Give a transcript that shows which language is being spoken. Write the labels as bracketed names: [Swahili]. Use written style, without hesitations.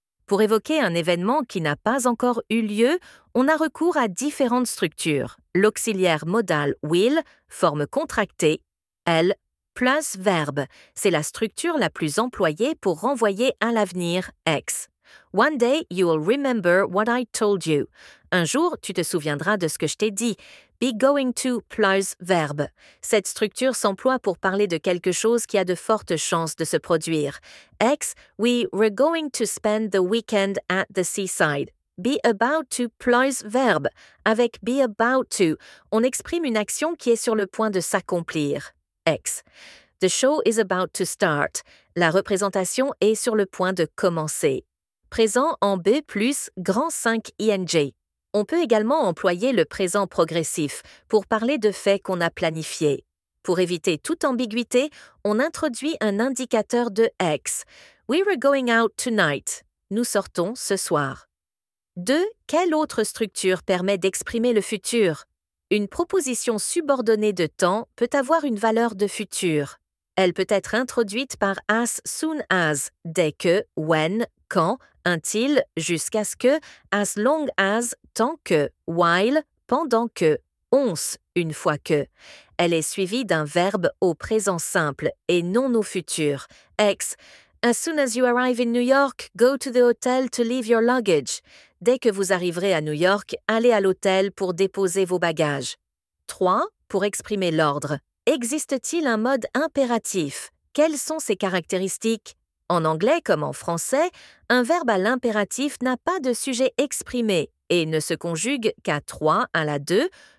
[French] Pour évoquer un événement qui n'a pas encore eu lieu, on a recours à différentes structures. L'auxiliaire modal will, forme contractée, elle, plus verbe. C'est la structure la plus employée pour renvoyer à l'avenir, ex. [English] One day you'll remember what I told you. [French] Un jour, tu te souviendras de ce que je t'ai dit. [English] Be going to plus verbe. [French] Cette structure s'emploie pour parler de quelque chose qui a de fortes chances de se produire. [English] Ex, we were going to spend the weekend at the seaside. Be about to [French] plus verbe. Avec be about to, on exprime une action qui est sur le point de s'accomplir. Ex. [English] The show is about to start. [French] La représentation est sur le point de commencer. Présent en B plus grand 5 ING. On peut également employer le présent progressif pour parler de faits qu'on a planifiés. Pour éviter toute ambiguïté, on introduit un indicateur de X. [English] We were going out tonight. [French] Nous sortons ce soir. [English] 2. [French] Quelle autre structure permet d'exprimer le futur? Une proposition subordonnée de temps peut avoir une valeur de futur. Elle peut être introduite par [English] as soon as, [French] dès que, when, quand, until, jusqu'à ce que, [English] as long as, [French] tant que, while, pendant que, once, une fois que. Elle est suivie d'un verbe au présent simple et non au futur. [English] Ex, as soon as you arrive in New York, go to the hotel to leave your luggage. [French] Dès que vous arriverez à New York, allez à l'hôtel pour déposer vos bagages. 3. Pour exprimer l'ordre. Existe-t-il un mode impératif? Quelles sont ses caractéristiques? En anglais comme en français, un verbe à l'impératif n'a pas de sujet exprimé et ne se conjugue qu'à 3 à la 2.